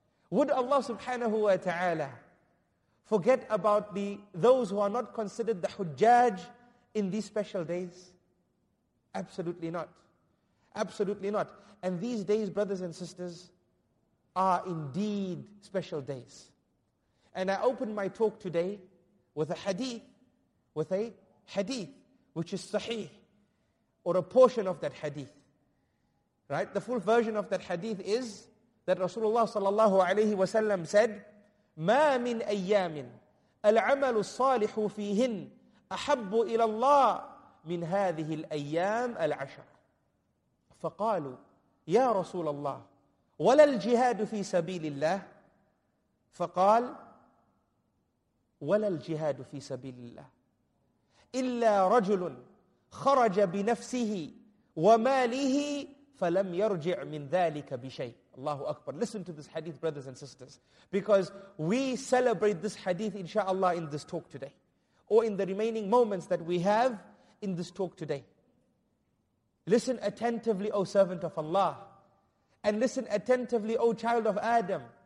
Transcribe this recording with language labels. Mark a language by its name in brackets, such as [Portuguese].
[English] Would Allah subhanahu wa ta'ala forget about those who are not considered the hujjaj in these special days? Absolutely not. Absolutely not. And these days, brothers and sisters, are indeed special days. And I opened my talk today with a hadith, which is sahih, or a portion of that hadith. Right? The full version of that hadith is that Rasulullah sallallahu alayhi wa sallam said, [Arabic] مَا مِنْ أَيَّامٍ الْعَمَلُ الصَّالِحُ فِيهِنْ أَحَبُّ إِلَى اللَّهِ مِنْ هَذِهِ الْأَيَّامِ الْعَشَرَ فَقَالُوا يَا رَسُولَ اللَّهِ وَلَا الْجِهَادُ فِي سَبِيلِ اللَّهِ فَقَالْ وَلَا الْجِهَادُ فِي سَبِيلِ اللَّهِ إِلَّا رَجُلٌ خَرَجَ بِنَفْسِهِ وَمَالِهِ فَلَمْ يَرْجِعْ مِنْ ذَلِكَ بِشَيْءٍ. Allahu Akbar. [English] Listen to this hadith, brothers and sisters. Because we celebrate this hadith, inshallah, in this talk today. Or in the remaining moments that we have in this talk today. Listen attentively, O servant of Allah. And listen attentively, O child of Adam.